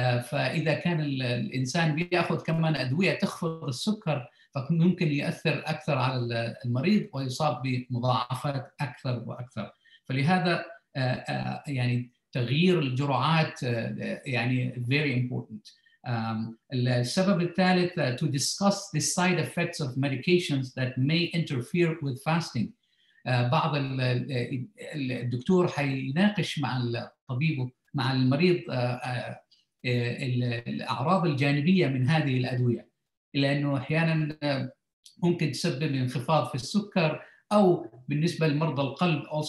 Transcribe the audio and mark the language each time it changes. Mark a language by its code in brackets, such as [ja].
[ar] فإذا كان الإنسان بيأخذ كمان أدوية تخفض السكر فممكن يؤثر أكثر على المريض ويصاب بمضاعفات أكثر وأكثر. فلهذا يعني تغيير الجرعات يعني [en] very important. [ar] السبب الثالث [en] to discuss the side effects of medications that may interfere with fasting. [ar] بعض الدكتور حيناقش مع الطبيب مع المريض الأعراض الجانبية من هذه الأدوية، لأنه أحياناً ممكن تسبب انخفاض في السكر، أو بالنسبة لمرضى القلب